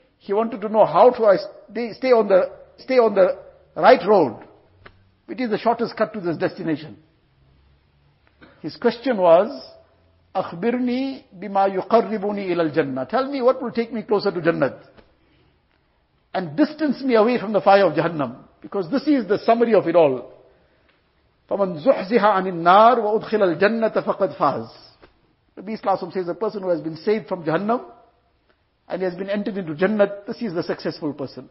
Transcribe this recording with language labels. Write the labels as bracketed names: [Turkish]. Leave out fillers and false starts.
[English] He wanted to know how to stay on the right road, which is the shortest cut to this destination. His question was, [Arabic] أخبرني بما يقربني إلى الجنة. [English] Tell me what will take me closer to Jannat and distance me away from the fire of Jahannam. Because this is the summary of it all. [Arabic] فَمَنْ زُحْزِهَا عَنِ النَّارِ وَأُدْخِلَ الْجَنَّةَ فَقَدْ فَازِ. [English] Nabi Sallallahu Alaihi Wasallam says, a person who has been saved from Jahannam and he has been entered into Jannat, this is the successful person.